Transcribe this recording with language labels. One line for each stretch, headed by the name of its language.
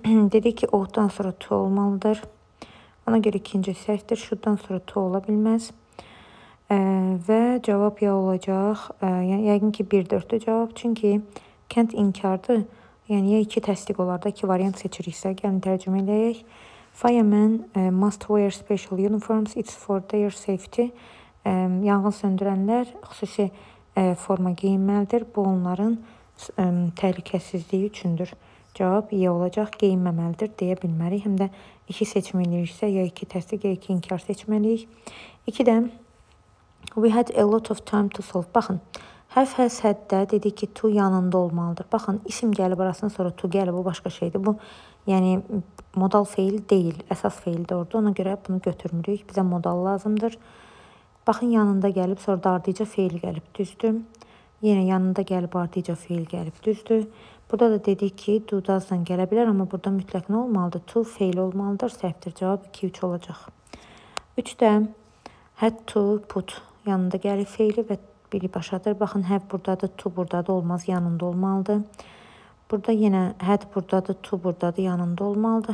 Azerbaijani: Dedik ki, oh-dan sonra to olmalıdır. Ona görə ikinci səhvdir. Şuddan sonra to ola bilməz. Və cavab ya olacaq. Yəqin ki, 1-4-dür cavab. Çünki can't inkardır. Yəni, ya iki təsdiq olar da, iki variant seçiriksə, gəlin tərcümə eləyək.
English: Firemen must wear special uniforms, it's for their safety.
Azerbaijani: Yanğın söndürənlər xüsusi forma geyinməlidir. Bu, onların təhlükəsizliyi üçündür. Cavab, ya olacaq, geyinməməlidir deyə bilmərik. Həm də iki seçim eləyiriksə, ya iki təsdiq, ya iki inkar seçməliyik. İki də,
English: we had a lot of time to solve.
Azerbaijani: Baxın. Have, has, had-də dedik ki, to yanında olmalıdır. Baxın, isim gəlib arasında sonra to gəlib, o başqa şeydir. Bu, yəni, modal feil deyil, əsas feildir orada. Ona görə bunu götürmürük, bizə modal lazımdır. Baxın, yanında gəlib, sonra da ardıca feil gəlib, düzdür. Yenə yanında gəlib, ardıca feil gəlib, düzdür. Burada da dedik ki, do does-dan gələ bilər, amma burada mütləq nə olmalıdır? To feil olmalıdır, səhvdir. Cavab 2-3 olacaq. 3-də had to put yanında gəlib feili və biri başadır. Baxın, have buradadır, to buradadır, olmaz, yanında olmalıdır. Burada yenə had buradadır, to buradadır, yanında olmalıdır.